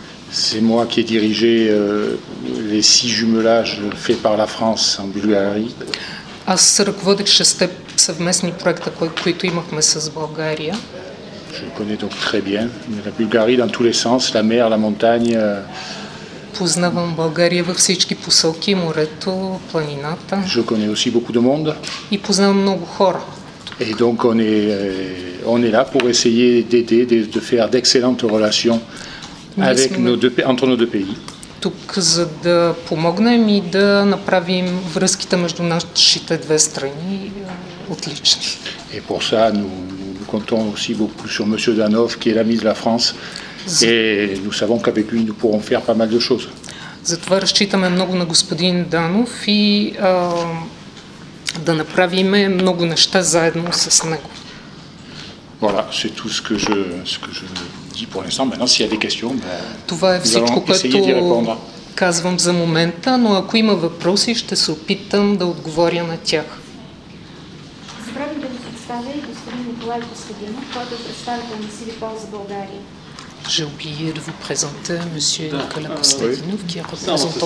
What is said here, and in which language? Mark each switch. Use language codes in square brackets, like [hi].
[fr] C'est moi qui ai dirigé les 6 jumelages faits par la France en Bulgarie. [bg] Аз ръководих 6 съвместни проекта, които имахме с България. [fr] Je connais donc très bien la Bulgarie dans tous les sens, la mer, la montagne. [bg] Познавам България във всички посоки, морето, планината. [fr] Je connais aussi beaucoup de monde. [bg] И познавам много хора. [fr] Et donc on est là pour essayer d'aider, de faire d'excellentes relations avec entre nos deux pays. [bg] Тук, за да помогнем и да направим връзките между нашите две страни отлични. [fr] Et pour ça, nous comptons aussi beaucoup sur monsieur Danov qui est l'ami de la France et nous savons qu'avec lui nous pourrons faire pas mal de choses. [bg] Затова разчитаме много на господин Данов и да направим много неща заедно с него. [fr] Voilà, c'est tout ce que je pour l'instant. Maintenant, s'il y a des questions, [bg] това е всичко, което казвам за момента, но ако има въпроси, ще се опитам да отговоря на тях. Забравям да ви представя и господин Николай Костадинов, който е представител на CIVIPOL за България. [fr] J'ai oublié de vous présenter M. Nicolas Costadinov, qui est représentant